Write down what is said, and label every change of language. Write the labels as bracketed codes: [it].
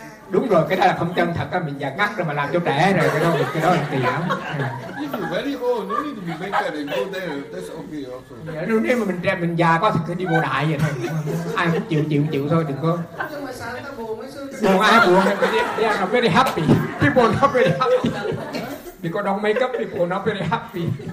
[vi] Đúng rồi, cái đó là không chân thật á, mình già ngắt rồi mà làm cho trẻ rồi, cái đó là kỳ lắm. [en] You're very old, no need to be naked and go there, that's okay also. [vi] Nếu mà mình già quá thì đi bộ đại vậy thôi. Ai cũng chịu thôi, đừng có. Nhưng mà sao ta buồn mới xưa. Buồn ai buồn, [en] they are not very happy. People are not very happy. Because don't make up people are not very happy.